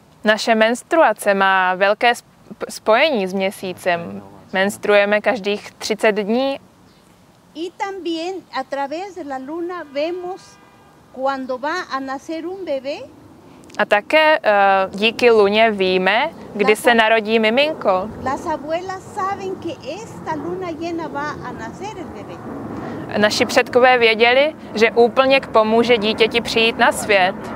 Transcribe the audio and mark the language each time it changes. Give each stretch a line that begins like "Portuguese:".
Czech: Naše menstruace má velké spojení s měsícem. Menstruujeme každých 30 dní.
Spanish: Y también a través de la luna vemos cuando va a nacer un bebé.
Czech: A také díky luně víme, kdy se narodí miminko.
Spanish: Las abuelas saben que esta luna llena va a nacer el bebé.
Czech: Naši předkové věděli, že úplněk pomůže dítěti přijít na svět.